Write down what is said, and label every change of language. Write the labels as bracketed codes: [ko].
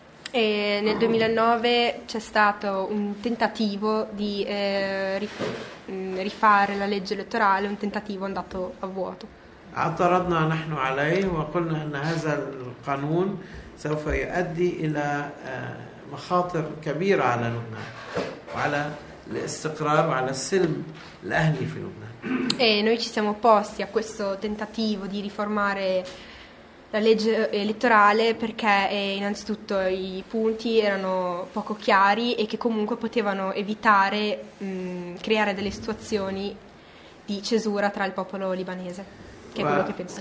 [it] E nel 2009 c'è stato un tentativo di rifare la legge elettorale, un tentativo andato a vuoto. [ar] اعترضنا نحن عليه وقلنا أن هذا القانون سوف يؤدي إلى مخاطر كبيرة على لبنان وعلى الاستقرار وعلى السلم الأهلي في لبنان. [it] E noi ci siamo opposti a questo tentativo di riformare la legge elettorale perché innanzitutto i punti erano poco chiari e che comunque potevano evitare creare delle situazioni di cesura tra il popolo libanese, che è quello che